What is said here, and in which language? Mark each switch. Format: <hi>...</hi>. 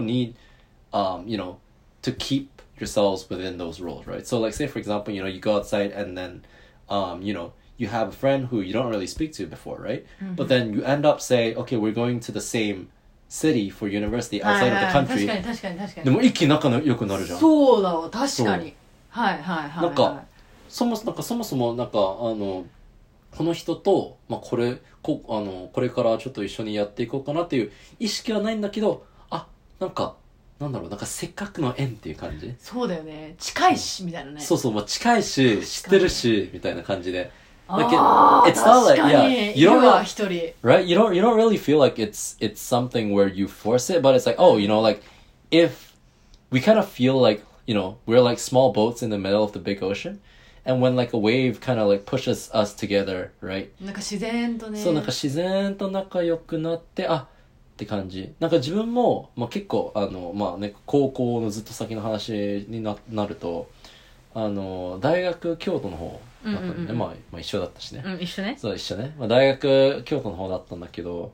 <en>then you don't need you know to keep yourselves within those roles, right? So like say for example, you know, you go outside and then you know you have a friend who you don't really speak to before, right? But then you end up say, okay, we're going to the same city for university outside of the country.</en> <ja>確かに。でも一気に仲良くなるじゃん。そうだわ、確かに。はいはいはい。なんか、そもそも、なんかそもそも、なんか、あの、この人と、まあ、これ、こ、あの、これからちょっと一緒にやっていこうかなっていう意識はないんだけど、あ、なんか、なんだろう、なんかせっかくの縁っていう感じ。そうだよね。近いし、みたいなね。そうそう、まあ、近いし、知ってるし、みたいな感じで。</ja> <en>Like it, it's not like, yeah, you don't, right? You don't really feel like it's something where you force it, but it's like, oh, you know, like, if we kind of feel like, you know, we're like small boats in the middle of the big ocean, and when like a wave kind of like pushes us together, right?</en> <ja>なんか自然とね。そう、なんか自然と仲良くなって、あ、って感じ。なんか自分も、まあ結構、あの、まあね、高校のずっと先の話に なると、あの、大学京都の方、ねうんうんうん、まあ一緒だったしね、うん、一緒ね、そう一緒ね、まあ、大学京都の方だったんだけど、</ja>